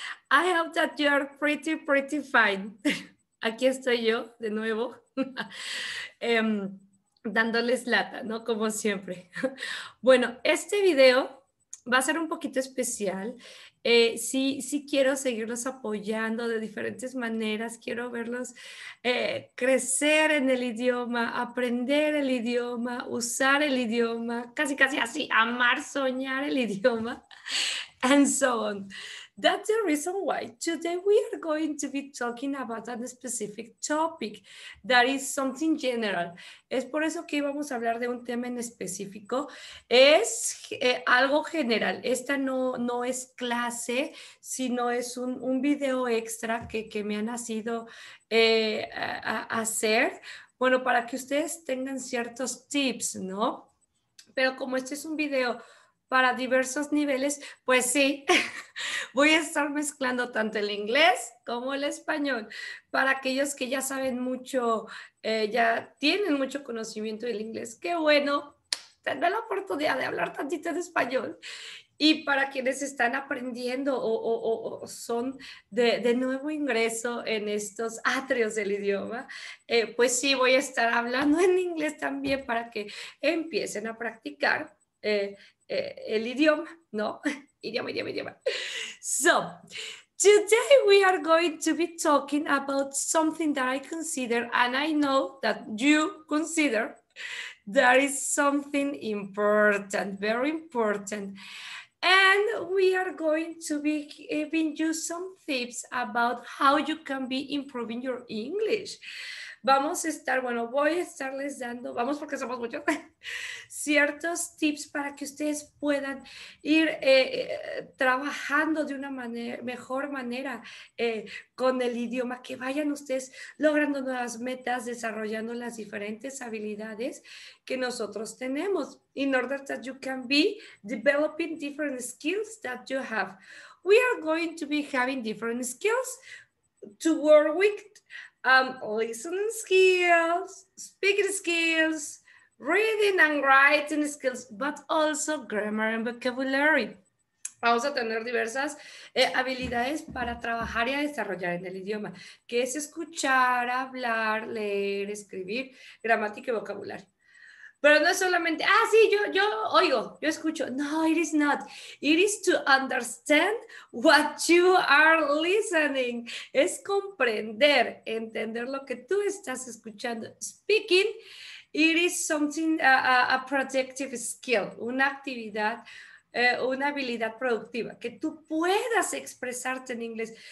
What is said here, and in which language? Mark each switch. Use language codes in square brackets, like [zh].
[en] I hope that you are pretty, pretty fine. [es] Aquí estoy yo, de nuevo, dándoles lata, ¿no? Como siempre. Bueno, este video va a ser un poquito especial. Sí quiero seguirlos apoyando de diferentes maneras. Quiero verlos crecer en el idioma, aprender el idioma, usar el idioma, casi, casi así, amar, soñar el idioma, [en] and so on. That's the reason why today we are going to be talking about a specific topic that is something general. [es] Es por eso que vamos a hablar de un tema en específico. Es algo general. Esta no es clase, sino es un video extra que me ha nacido hacer. Bueno, para que ustedes tengan ciertos tips, ¿no? Pero como este es un video para diversos niveles, pues sí, voy a estar mezclando tanto el inglés como el español. Para aquellos que ya saben mucho, ya tienen mucho conocimiento del inglés, qué bueno tener la oportunidad de hablar tantito en español. Y para quienes están aprendiendo o son de nuevo ingreso en estos atrios del idioma, pues sí, voy a estar hablando en inglés también para que empiecen a practicar el idioma, ¿no? Idioma. [en] So, today we are going to be talking about something that I consider, and I know that you consider, that is something important, very important. And we are going to be giving you some tips about how you can be improving your English. [es] Vamos a estar, bueno, voy a estarles dando, vamos porque somos muchos, ciertos tips para que ustedes puedan ir trabajando de una manera, mejor manera con el idioma, que vayan ustedes logrando nuevas metas, desarrollando las diferentes habilidades que nosotros tenemos. [en] In order that you can be developing different skills that you have. We are going to be having different skills to work with. Listening skills, speaking skills, reading and writing skills, but also grammar and vocabulary. [es] Vamos a tener diversas habilidades para trabajar y a desarrollar en el idioma, que es escuchar, hablar, leer, escribir, gramática y vocabulario. Pero no es solamente, sí, yo oigo, yo escucho. [en] No, it is not. It is to understand what you are listening. [es] Es comprender, entender lo que tú estás escuchando. [en] Speaking, it is something, a productive skill, [es] una actividad, una habilidad productiva, que tú puedas expresarte en inglés.